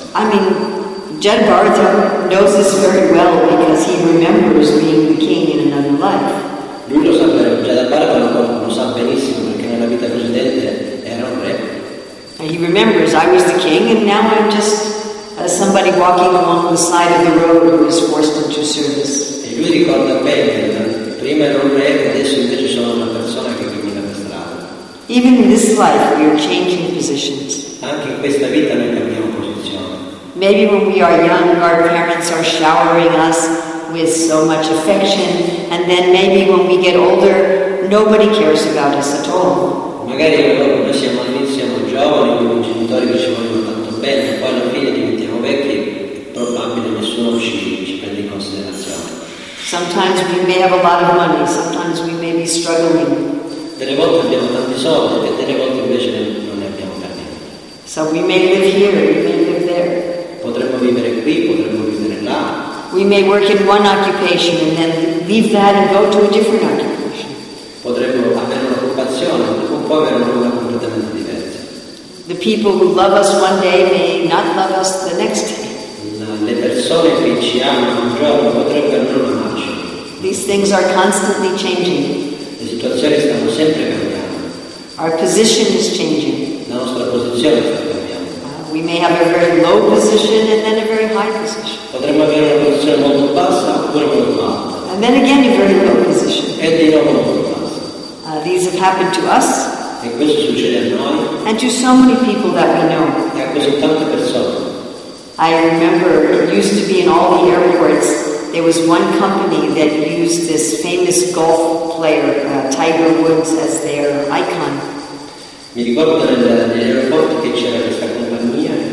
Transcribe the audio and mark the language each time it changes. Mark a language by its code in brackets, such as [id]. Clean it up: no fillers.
[en] I mean, Jayabharata knows this very well because he remembers being the king in another life. [it] Lui lo sa, Jayabharata lo sa benissimo. La vita precedente era un re. [en] He remembers I was the king and now I'm just somebody walking along the side of the road who is forced into service. [it] E lui ricorda bene che prima erano re, adesso invece sono una persona che cammina per strada. [en] Even in this life we are changing positions. [it] Anche in questa vita noi cambiamo posizione. [en] Maybe when we are young our parents are showering us with so much affection, and then maybe when we get older nobody cares about us at all. [it] Magari quando noi siamo all'inizio giovani con i genitori che ci vogliono tanto bene, poi alla fine diventiamo vecchi, probabilmente nessuno ci prende in considerazione. [en] Sometimes we may have a lot of money, sometimes we may be struggling. [it] Delle volte abbiamo tanti soldi e delle volte invece non ne abbiamo per niente. [en] So we may live here, we may live there. [it] Potremmo vivere qui, potremmo vivere là. [en] We may work in one occupation and then leave that and go to a different occupation. [it] Potremmo avere un'occupazione, un po' avere una completamente diversa. [en] The people who love us one day may not love us the next day. [it] Le persone che ci amano un giorno potrebbero non amarci. [en] These things are constantly changing. [it] Le situazioni stanno sempre cambiando. [en] Our position is changing. [it] La nostra posizione sta cambiando. [en] We may have a very low position and then a very high position. [it] Potremmo avere una posizione molto bassa oppure molto alta. [en] And then again a very low position. [it] E di nuovo molto bassa. [en] These have happened to us. [it] E questo succede a noi. [en] And to so many people that we know. [it] E a così tante persone. [en] I remember it used to be in all the airports there was one company that used this famous golf player Tiger Woods as their icon. [it] Mi ricordo negli aeroporti che c'era questa compagnia.